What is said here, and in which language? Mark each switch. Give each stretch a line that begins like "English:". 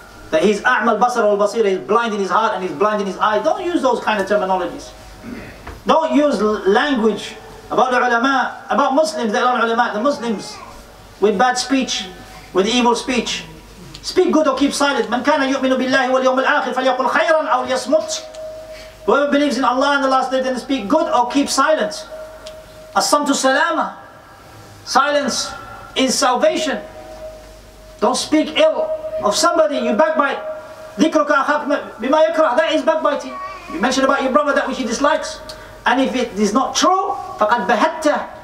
English: That he's a'mal basar al basir, he's blind in his heart and he's blind in his eyes. Don't use those kind of terminologies. Don't use language about the ulama, about Muslims, the ulama, the Muslims, with bad speech, with evil speech. Speak good or keep silent.
Arabic: من كان يؤمن بالله واليوم الآخر فليقل خيرا أو ليصمت.
English: Whoever believes in Allah and the last day, then speak good or keep silent.
Arabic: الصمت السلامة.
English: Silence is salvation. Don't speak ill of somebody. You backbite.
Arabic: ذكرك أخاك بما يكره.
English: That is backbiting. You mention about your brother that which he dislikes. And if it is not true,
Arabic: فقد بهته.